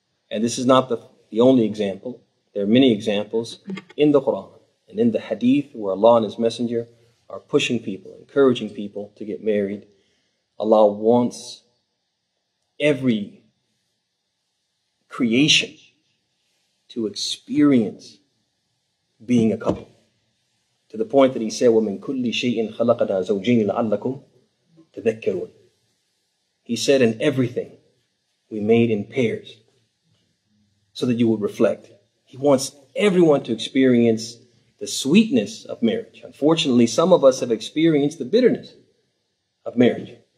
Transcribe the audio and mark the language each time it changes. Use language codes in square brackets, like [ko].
[en] And this is not the only example. There are many examples in the Quran and in the Hadith where Allah and His Messenger are pushing people, encouraging people to get married. Allah wants every creation to experience being a couple. To the point that he said, [ar] وَمِن كُلِّ شَيْءٍ خَلَقَنَا زَوْجَيْنِ لَعَلَّكُمْ تَذَكَّرُونَ. [en] He said, in everything we made in pairs so that you would reflect. He wants everyone to experience the sweetness of marriage. Unfortunately, some of us have experienced the bitterness of marriage.